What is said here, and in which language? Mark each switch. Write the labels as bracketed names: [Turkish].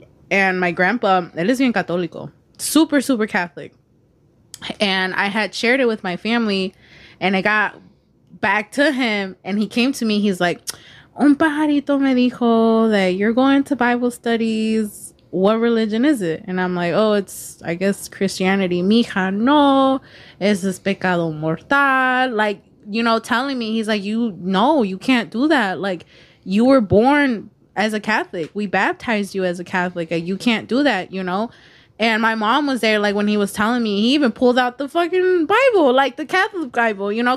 [English] And my grandpa, [Spanish] él es bien católico, [English] super, super Catholic. And I had shared it with my family, and I got back to him, and he came to me. He's like, [Spanish] un pajarito me dijo [English] that you're going to Bible studies. What religion is it? And I'm like, oh, it's, I guess, Christianity. [Spanish] Mija, no, eso es pecado mortal. [English] Like, you know, telling me, he's like, you can't do that. Like, you were born as a Catholic, we baptized you as a Catholic, and you can't do that, you know? And my mom was there, like, when he was telling me, he even pulled out the fucking Bible, like, the Catholic Bible, you know?